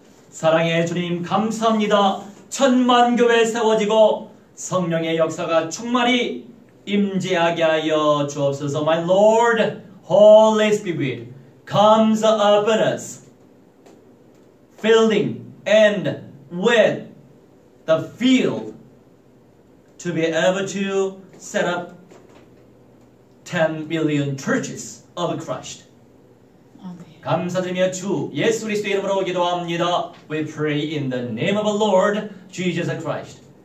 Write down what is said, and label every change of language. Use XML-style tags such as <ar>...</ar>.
<ko>사랑해 주님 감사합니다. 천만 교회 세워지고 성령의 역사가 충만히 임재하게 하여 주옵소서.</ko> <en>My Lord, Holy Spirit, comes upon us, filling and with the field to be able to set up 10 million churches of Christ.</en> <ko>감사드리며 주 예수 그리스도 이름으로 기도합니다.</ko> <en>We pray in the name of the Lord Jesus Christ.</en>